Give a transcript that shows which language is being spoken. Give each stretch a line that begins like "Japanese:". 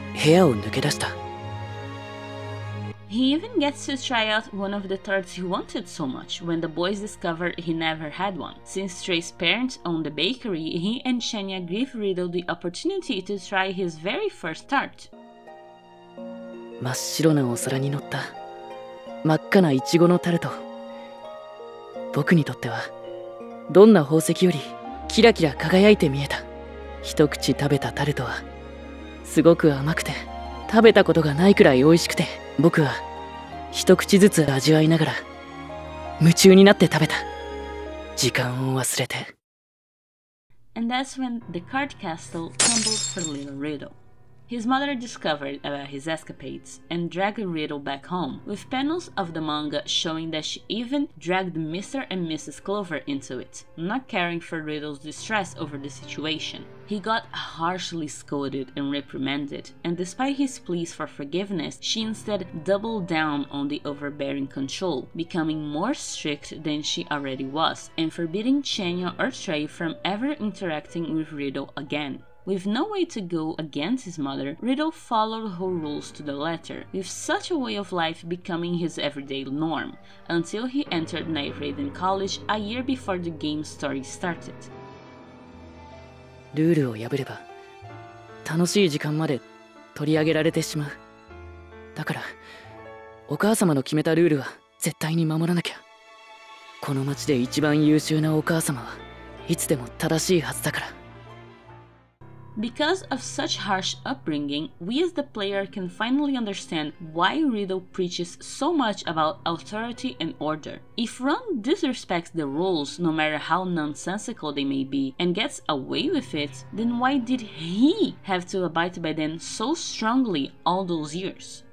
English: He even gets to try out one of the tarts he wanted so much when the boys discover he never had one. Since Trey's parents owned the bakery, he and Chenya give Riddle the opportunity to try his very first tart.
Japanese: 真っ白なお皿に乗った真っ赤なイチゴのタルト。僕にとってはどんな宝石よりキラキラ輝いて見えた。一口食べたタルトはすごく甘くて、食べたことがないくらい美味しくて、僕は一口ずつ味わいながら夢中になって食べた。時間を忘れて。
English: And that's when the card castle tumbled for little Riddle. His mother discovered about his escapades and dragged Riddle back home, with panels of the manga showing that she even dragged Mr. and Mrs. Clover into it, not caring for Riddle's distress over the situation. He got harshly scolded and reprimanded, and despite his pleas for forgiveness, she instead doubled down on the overbearing control, becoming more strict than she already was, and forbidding Chenya or Trey from ever interacting with Riddle again. With no way to go against his mother, Riddle followed her rules to the letter, with such a way of life becoming his everyday norm, until he entered Night Raiden College a year before the game story started.
Japanese: ルールを破れば、楽しい時間まで取り上げられてしまう。だから、お母様の決めたルールは絶対に守らなきゃ。この街で一番優秀なお母様はいつでも正しいはずだから。
English: Because of such harsh upbringing, we as the player can finally understand why Riddle preaches so much about authority and order. If Ron disrespects the rules, no matter how nonsensical they may be, and gets away with it, then why did he have to abide by them so strongly all those years?